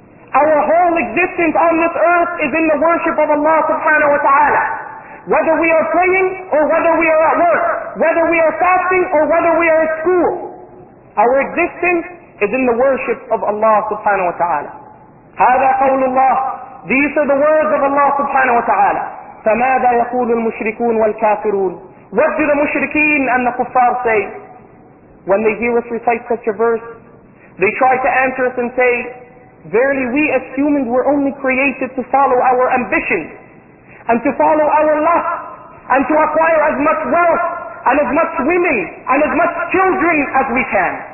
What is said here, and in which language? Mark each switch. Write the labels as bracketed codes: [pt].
[en] Our whole existence on this earth is in the worship of Allah subhanahu wa ta'ala. Whether we are praying or whether we are at work, whether we are fasting or whether we are at school, our existence is in the worship of Allah subhanahu wa ta'ala. [ar] هذا قول الله. [en] These are the words of Allah subhanahu wa ta'ala. [ar] فماذا يقول المشركون والكافرون? [en] What do the mushrikeen and the kuffar say? When they hear us recite such a verse, they try to answer us and say, verily we as humans were only created to follow our ambitions, and to follow our lust, and to acquire as much wealth, and as much women, and as much children as we can.